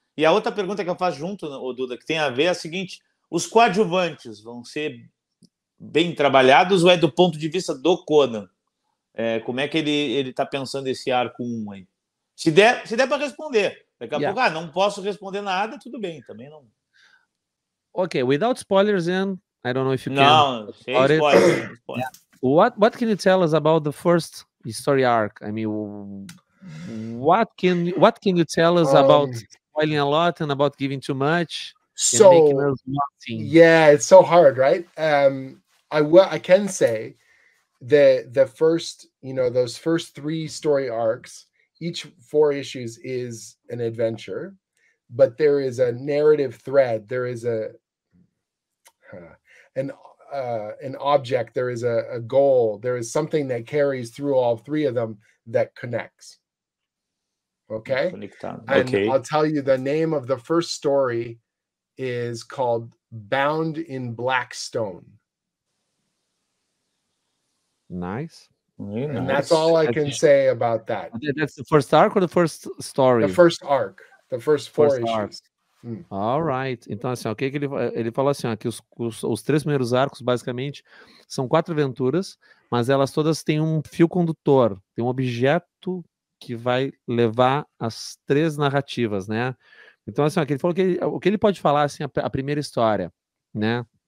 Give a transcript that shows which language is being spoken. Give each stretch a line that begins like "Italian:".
Portuguese: E a outra pergunta que eu faço junto, Duda, que tem a ver é a seguinte, os coadjuvantes vão ser bem trabalhados ou é do ponto de vista do Conan? É, como é que ele está pensando esse arco 1 aí? Se der para responder. Daqui a pouco, não posso responder nada, tudo bem, também não.
English: Ok, without spoilers, in, I don't know if you
Portuguese: não,
English: can.
Portuguese: Não, sem spoilers.
English: What can you tell us about the first story arc? I mean, what can you tell us about spoiling a lot and about giving too much? So, it's so hard, right? I can say that the first, you know, those first three story arcs, each four issues is an adventure, but there is a narrative thread. There is an object. There is a goal. There is something that carries through all three of them that connects. Okay? Okay. And I'll tell you the name of the first story is called Bound in Black Stone. Nice. Really and nice. That's all I can say about that. That's the first arc or the first story? The first arc. The first four first issues. Arc. All right.
Portuguese: Então, assim, okay, que ele falou assim, ó, que os três primeiros arcos, basicamente, são quatro aventuras, mas elas todas têm um fio condutor, tem um objeto que vai levar as três narrativas, né? Então, assim, ó, que ele falou que o que ele pode falar, assim, a primeira história, né?